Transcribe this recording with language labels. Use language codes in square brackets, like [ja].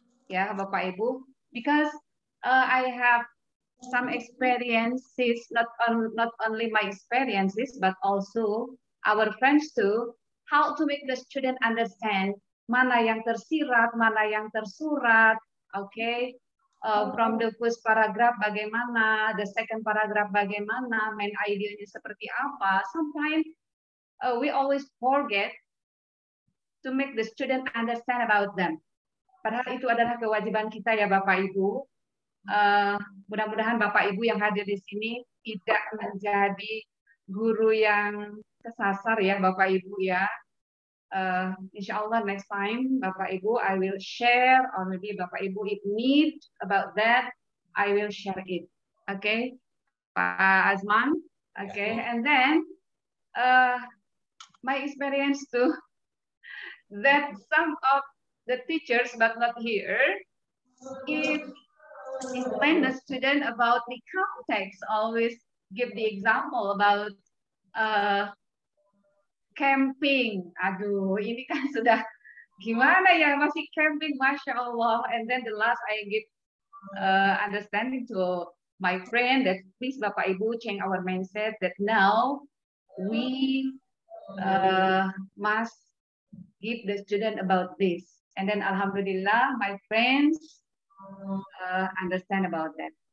[en] Yeah, Bapak Ibu, because I have some experiences, not only my experiences, but also our friends too, how to make the student understand [id] mana yang tersirat, mana yang tersurat, [en] okay? From the first paragraph bagaimana, the second paragraph bagaimana, main [id] idenya seperti apa. [en] Sometimes we always forget to make the student understand about them. [id] Padahal itu adalah kewajiban kita ya Bapak Ibu. Mudah-mudahan Bapak Ibu yang hadir di sini tidak menjadi guru yang kesasar ya Bapak Ibu ya. [en] Insya Allah next time Bapak Ibu I will share, or maybe Bapak Ibu if need about that I will share it. Okay, Pak Azman. Okay, yeah. And then my experience too that some of the teachers but not here explain the student about the context, always give the example about camping. [id] Aduh, ini kan sudah gimana ya, masih camping, Masya Allah. [en] And then the last I give understanding to my friend that please Bapak Ibu change our mindset that now we must give the student about this. And then Alhamdulillah my friends understand about that.